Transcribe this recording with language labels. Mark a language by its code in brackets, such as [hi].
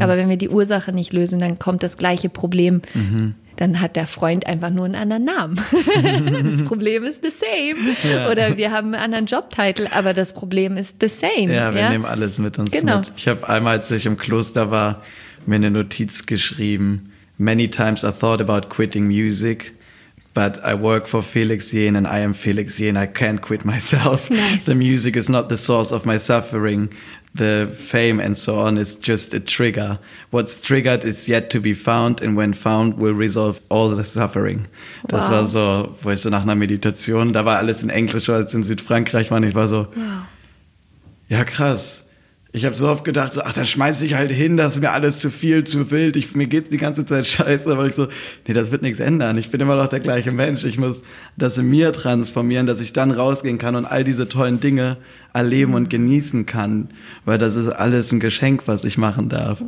[de] Aber wenn wir die Ursache nicht lösen, dann kommt das gleiche Problem. Mhm. Dann hat der Freund einfach nur einen anderen Namen. Das Problem ist [en] the same. [de] Ja. Oder wir haben einen anderen Jobtitel, aber das Problem ist [en] the same. [de] Ja, wir nehmen alles mit uns mit. Ich habe einmal, als ich im Kloster war, mir eine Notiz geschrieben. [en] Many times I thought about quitting music, but I work for Felix Jehn and I am Felix Jehn. I can't quit myself. Nice. The music is not the source of my suffering. The fame and so on is just a trigger. What's triggered is yet to be found and when found will resolve all the suffering. [de] Das war so, wo ich so nach einer Meditation, da war alles in Englisch, weil es in Südfrankreich war. Ich war so, ja krass. Ich habe so oft gedacht, so, ach, da schmeiße ich halt hin, das ist mir alles zu viel, zu wild. Mir geht die ganze Zeit scheiße, weil ich so, nee, das wird nichts ändern. Ich bin immer noch der gleiche Mensch. Ich muss das in mir transformieren, dass ich dann rausgehen kann und all diese tollen Dinge erleben und genießen kann, weil das ist alles ein Geschenk, was ich machen darf.